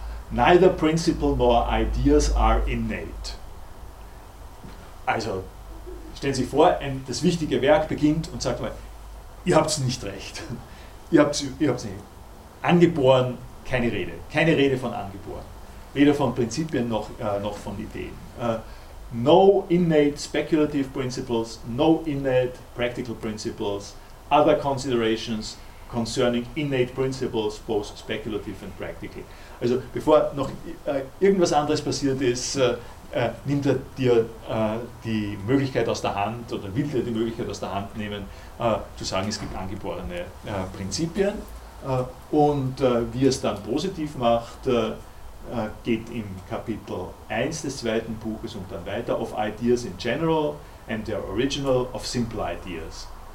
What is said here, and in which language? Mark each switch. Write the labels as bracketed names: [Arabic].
[English] Neither principle nor ideas are innate. [German] Also stellen Sie sich vor, das wichtige Werk beginnt und sagt mal, ihr habt es nicht recht. Ihr habt's nicht. Angeboren, keine Rede. Keine Rede von angeboren. Weder von Prinzipien noch von Ideen. [English] No innate speculative principles, no innate practical principles, other considerations concerning innate principles, both speculative and practical. [German] Also bevor noch irgendwas anderes passiert ist, nimmt er dir die Möglichkeit aus der Hand oder will dir die Möglichkeit aus der Hand nehmen, zu sagen, es gibt angeborene Prinzipien. Und wie er es dann positiv macht, geht im Kapitel 1 des zweiten Buches und dann weiter, [English] of ideas in general and their original of simple ideas.